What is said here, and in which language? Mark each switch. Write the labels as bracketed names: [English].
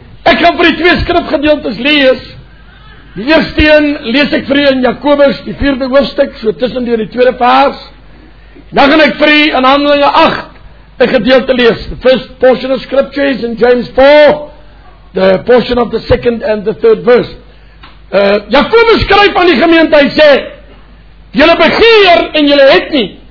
[Afrikaans] Ek gaan vir die twee skrifgedeeltes lees. Die eerste een lees ek vir u in Jakobus, die vierde hoofstuk, so tussen die tweede vers. Dan gaan ek vir u in Handelinge 8 een gedeelte lees. [English] The first portion of scripture is in James 4, the portion of the second and the third verse. [Afrikaans] Jakobus skryf aan die gemeente, hy sê, julle begeer en julle het nie.